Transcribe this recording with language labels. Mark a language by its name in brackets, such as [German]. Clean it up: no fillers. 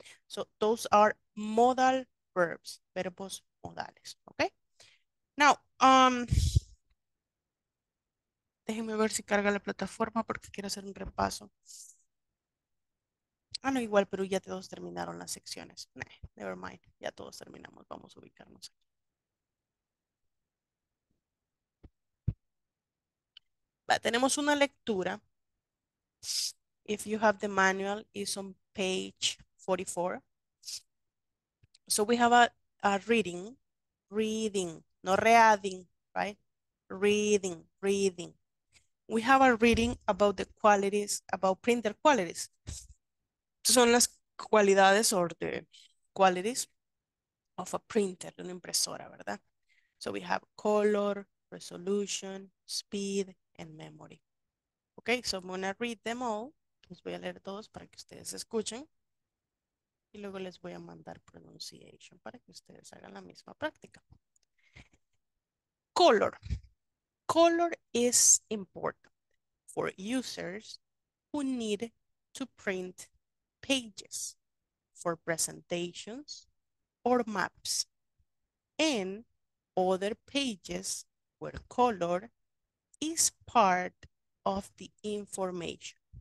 [English] So, those are modal verbs, [Spanish] verbos modales, [English] okay? [Spanish] Now, déjenme ver si carga la plataforma porque quiero hacer un repaso. Ah, no, igual, pero ya todos terminaron las secciones. [English] Nah, never mind, [Spanish] ya todos terminamos, vamos a ubicarnos aquí. Va, tenemos una lectura. [English] If you have the manual, it's on page 44. So we have a reading, reading, no reading, right? Reading, reading. We have a reading about the qualities, about printer qualities. [Spanish] Son las cualidades [English] or the qualities of a printer, [Spanish] de una impresora, ¿verdad? [English] So we have color, resolution, speed, and memory. Okay, so I'm gonna read them all. [Spanish] Los voy a leer todos para que ustedes escuchen. Y luego les voy a mandar pronunciation para que ustedes hagan la misma práctica. [English] Color. Color is important for users who need to print pages for presentations or maps and other pages where color is part of the information.